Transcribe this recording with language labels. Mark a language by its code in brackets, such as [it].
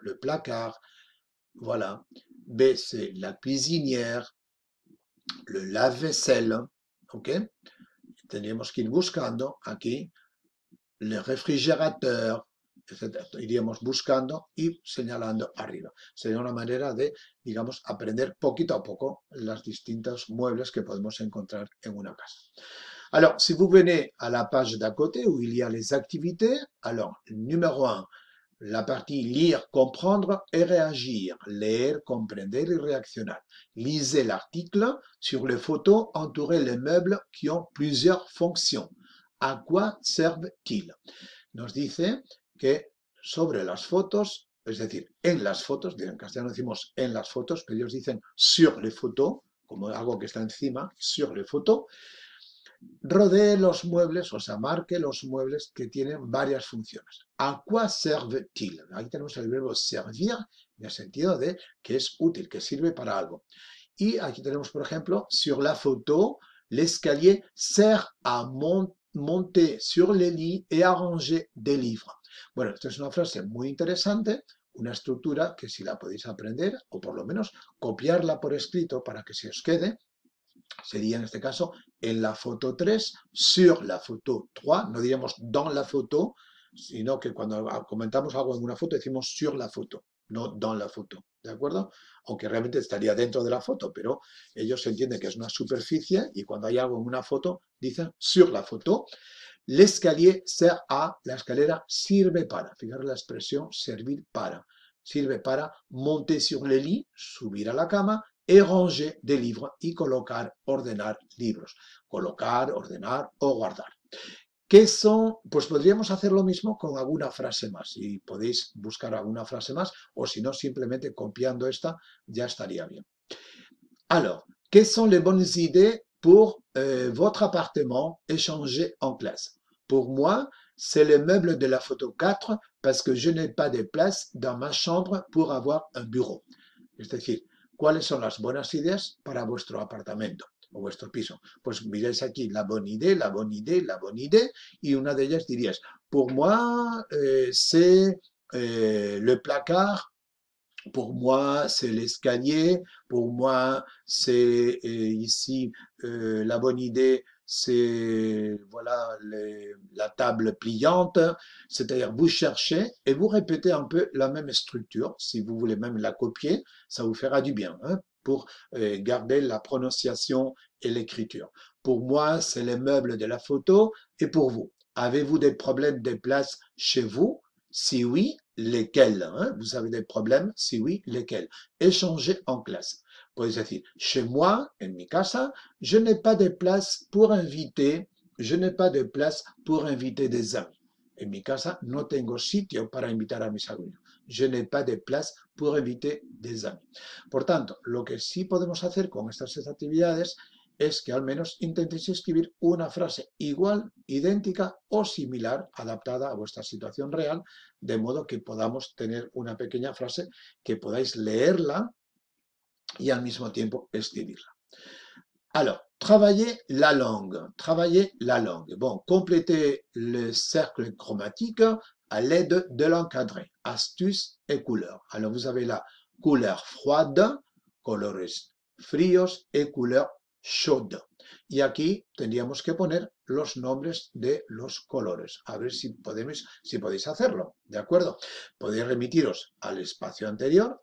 [fr] Le placard. Voilà, B c'est la cuisinière, le lave-vaisselle, ok, [es] tendríamos que ir buscando aquí, [fr] le réfrigérateur, etc. [es] Iríamos buscando y señalando arriba. Sería una manera de, digamos, aprender poquito a poco los distintos muebles que podemos encontrar en una casa. [fr] Alors, si vous venez à la page d'à côté où il y a les activités, alors, numéro 1, la partie lire, comprendre et réagir. [es] Leer, comprender y reaccionar. [fr] Lisez l'article. Sur les photos, entourez les meubles qui ont plusieurs fonctions. ¿A quoi servent-ils? [es] Nos dice que sobre las fotos, es decir, en las fotos, en castellano decimos en las fotos, pero ellos dicen [fr] sur les photos, [es] como algo que está encima, sur les photos. Rodee los muebles, o sea, marque los muebles que tienen varias funciones. [fr] ¿A quoi servent-il? [es] Ahí tenemos el verbo servir, en el sentido de que es útil, que sirve para algo. Y aquí tenemos, por ejemplo, [fr] sur la photo, l'escalier sert à monter sur les lits et à ranger des livres. [es] Bueno, esto es una frase muy interesante, una estructura que si la podéis aprender, o por lo menos copiarla por escrito para que se os quede, sería en este caso en la foto 3, [fr] sur la photo 3, [es] no diríamos [fr] dans la photo, [es] sino que cuando comentamos algo en una foto decimos sur la photo, no dans la photo, ¿de acuerdo? Aunque realmente estaría dentro de la foto, pero ellos entienden que es una superficie y cuando hay algo en una foto dicen [fr] sur la photo. L'escalier sert à, [es] la escalera sirve para, fijaros la expresión servir para, sirve para [fr] monter sur le lit, [es] subir a la cama, [fr] et ranger des livres, [es] y colocar, ordenar libros. Colocar, ordenar o guardar. ¿Qué son? Pues podríamos hacer lo mismo con alguna frase más. Si podéis buscar alguna frase más, o si no, simplemente copiando esta, ya estaría bien. [fr] Alors, [es] ¿qué son [fr] les bonnes idées pour votre appartement échangé en classe? Pour moi, c'est le meuble de la photo 4, parce que je n'ai pas de place dans ma chambre pour avoir un bureau. [es] Es decir, ¿cuáles son las buenas ideas para vuestro apartamento o vuestro piso? Pues miráis aquí [fr] la bonne idée, la bonne idée, la bonne idée, [es] y una de ellas dirías, [fr] pour moi, c'est le placard, pour moi, c'est l'escalier, pour moi, c'est ici, la bonne idée, c'est voilà, la table pliante, c'est-à-dire vous cherchez et vous répétez un peu la même structure, si vous voulez même la copier, ça vous fera du bien, hein, pour garder la prononciation et l'écriture. Pour moi, c'est les meubles de la photo, et pour vous, avez-vous des problèmes de place chez vous? Si oui, lesquels, hein? Vous avez des problèmes? Si oui, lesquels? Échangez en classe. [es] Podéis decir, [fr] chez moi, [es] en mi casa, [fr] je n'ai pas de place pour inviter, je n'ai pas de place pour inviter des amis. [es] En mi casa, no tengo sitio para invitar a mis amigos. [fr] Je n'ai pas de place pour inviter des amis. [es] Por tanto, lo que sí podemos hacer con estas seis actividades es que al menos intentéis escribir una frase igual, idéntica o similar, adaptada a vuestra situación real, de modo que podamos tener una pequeña frase que podáis leerla y al mismo tiempo escribirla. [fr] Alors, travaillez la langue. Travaillez la langue. Bon, complétez le cercle chromatique à l'aide de l'encadré. Astuce et couleur. Alors, vous avez là couleur froide, [es] colores fríos [fr] et couleur chaude. [es] Y aquí tendríamos que poner los nombres de los colores. A ver si podéis hacerlo. ¿De acuerdo? Podéis remitiros al espacio anterior.